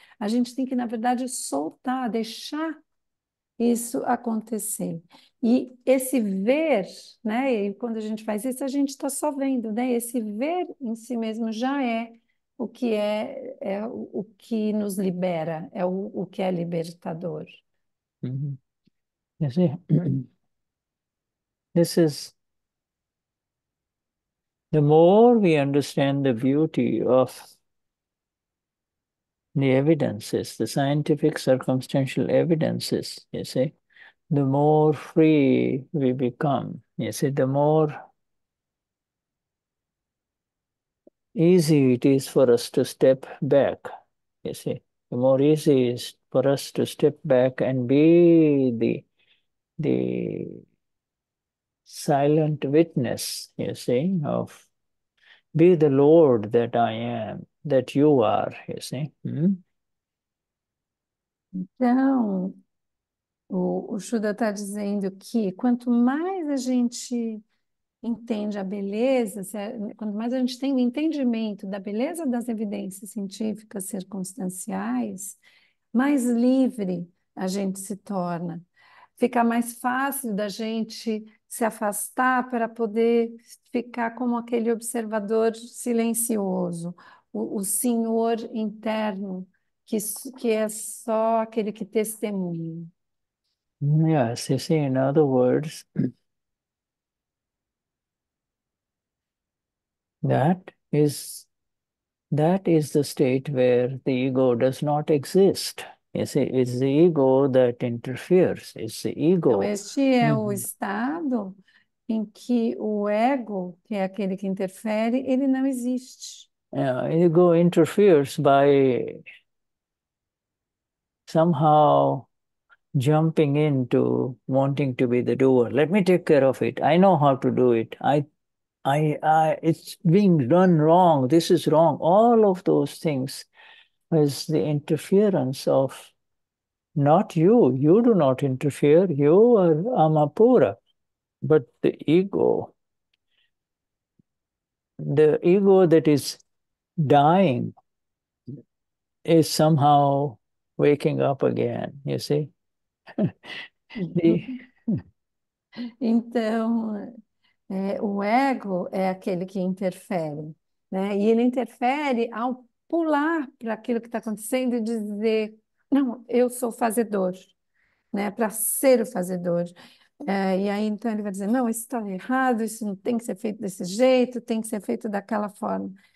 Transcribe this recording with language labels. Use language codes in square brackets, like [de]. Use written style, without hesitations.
[pt] A gente tem que, na verdade, soltar, deixar isso acontecer. E esse ver, né? E quando a gente faz isso, a gente está só vendo, né? Esse ver em si mesmo já é o que é o que nos libera, é o que é libertador. [en] You see, this is the more we understand the beauty of the evidences, the scientific circumstantial evidences, you see, the more free we become. You see, the more easy it is for us to step back, you see, the more easy it is for us to step back and be the silent witness, you see, of be the Lord that I am, that you are, you see. [pt] Então, o Shuddha está dizendo que quanto mais a gente entende a beleza, quanto mais a gente tem o entendimento da beleza das evidências científicas circunstanciais, mais livre a gente se torna. Fica mais fácil da gente se afastar para poder ficar como aquele observador silencioso, o senhor interno. Que é só aquele que testemunha. [en] Yes, you see, in other words, that is the state where the ego does not exist. You see, it's the ego that interferes. It's the [pt] Então, este é o estado em que o ego, que é aquele que interfere, ele não existe. [en] Ego interferes by somehow jumping into wanting to be the doer. Let me take care of it. I know how to do it. I it's being done wrong. This is wrong. All of those things is the interference of not you. You do not interfere. You are Amapura. But the ego that is dying is somehow waking up again, you see. [pt] Então, o ego é aquele que interfere, né? E ele interfere ao pular para aquilo que está acontecendo e dizer, não, eu sou fazedor, né? Para ser o fazedor. E aí então ele vai dizer, não, isso está errado, isso não tem que ser feito desse jeito, tem que ser feito daquela forma.